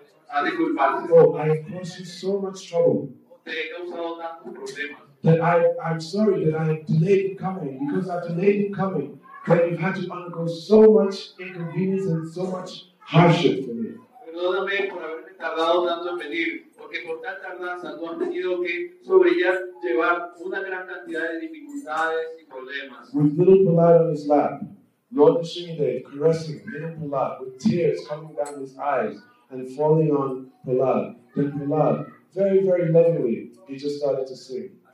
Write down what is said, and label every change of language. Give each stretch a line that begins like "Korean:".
English: Oh, I have caused you so much trouble. That I'm sorry that I have delayed in coming. Because I've delayed in coming, that you've had to undergo so much inconvenience and so much hardship for me.
Spanish: Perdóname por haberme tardado tanto en venir, porque por tal tardanza tú has tenido que sobrellevar una gran cantidad de dificultades y problemas.
English: With little Pallad on his lap, Lord Nrisimhadev caressing little Pallad with tears coming down his eyes and falling on Pallad. Then Pallad, very, very lovingly, he just started to sing.